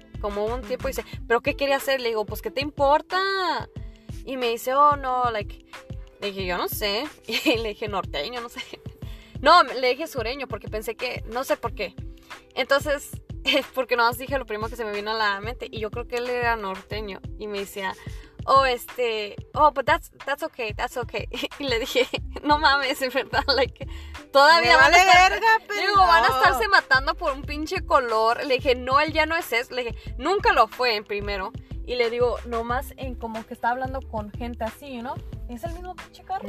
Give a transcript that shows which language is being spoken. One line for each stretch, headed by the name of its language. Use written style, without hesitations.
Spanish: Como un tipo, y dice, ¿pero qué quería hacer? Le digo, pues, ¿qué te importa? Y me dice, oh, no, like, le dije, yo no sé. Y le dije, norteño, no sé. No, le dije sureño, porque pensé que, no sé por qué. Entonces, porque nada más dije lo primero que se me vino a la mente. Y yo creo que él era norteño. Y me decía,
English: oh, oh, but that's okay, that's okay.
Spanish: Y le dije, no mames, en verdad, like, todavía me vale verga, pero digo, van a estarse matando por un pinche color. Le dije, no, él ya no es eso. Le dije, nunca lo fue en primero. Y le digo, nomás en como que está hablando con gente así, ¿no? ¿Es el mismo pinche carro?